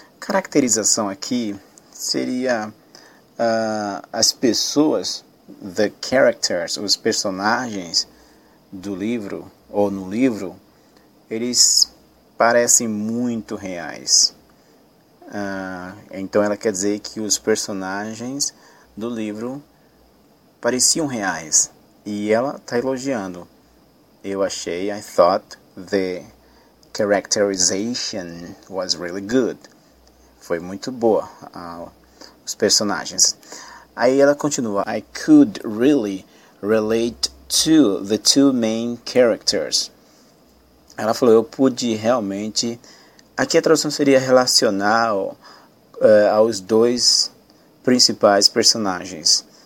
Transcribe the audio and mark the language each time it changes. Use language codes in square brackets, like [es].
[pt] Caracterização aqui seria as pessoas, [en] the characters, [pt] os personagens do livro ou no livro, eles parecem muito reais. Então ela quer dizer que os personagens do livro pareciam reais. E ela está elogiando. Eu achei, [en] I thought the characterization was really good. [pt] Foi muito boa, os personagens. Aí ela continua, [en] I could really relate to the two main characters. [pt] Ela falou, eu pude realmente... Aqui a tradução seria relacionar aos dois principais personagens.